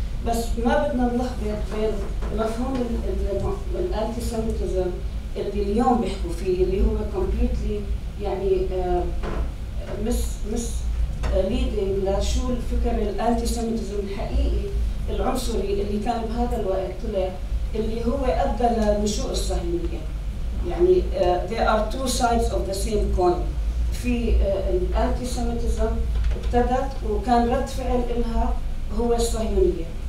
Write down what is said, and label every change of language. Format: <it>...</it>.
<ar>بس ما بدنا نلخبط بين مفهوم الانتي سيميتيزم اللي اليوم بيحكوا فيه اللي هو كومبليتلي يعني مش ليدنج لشو الفكر الانتي سيميتيزم الحقيقي العنصري اللي كان بهذا الوقت طلع اللي هو ادى لنشوء الصهيونيه.</ar> <en>يعني there are two sides of the same coin.</en> <ar>في الانتي سيميتيزم ابتدت وكان رد فعل لها هو الصهيونيه.</ar>